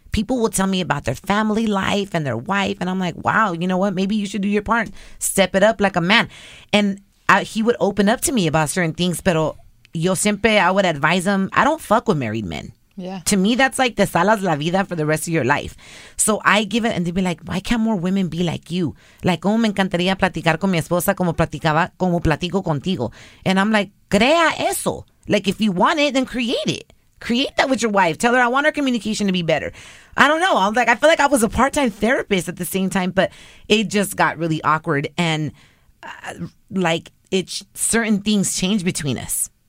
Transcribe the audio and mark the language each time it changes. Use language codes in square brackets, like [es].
[en] People will tell me about their family life and their wife. And I'm like, wow, you know what? Maybe you should do your part. Step it up like a man. And he would open up to me about certain things. [es] Pero yo siempre, [en] I would advise him, I don't fuck with married men. Yeah. To me, that's like [es] te salas la vida [en] for the rest of your life. So I give it, and they'd be like, why can't more women be like you? Like, [es] como me encantaría platicar con mi esposa como platico contigo. [en] And I'm like, [es] crea eso. [en] Like, if you want it, then create it. Create that with your wife. Tell her I want our communication to be better. I don't know. I'm like, I feel like I was a part-time therapist at the same time, but it just got really awkward. And like, it's certain things changed between us.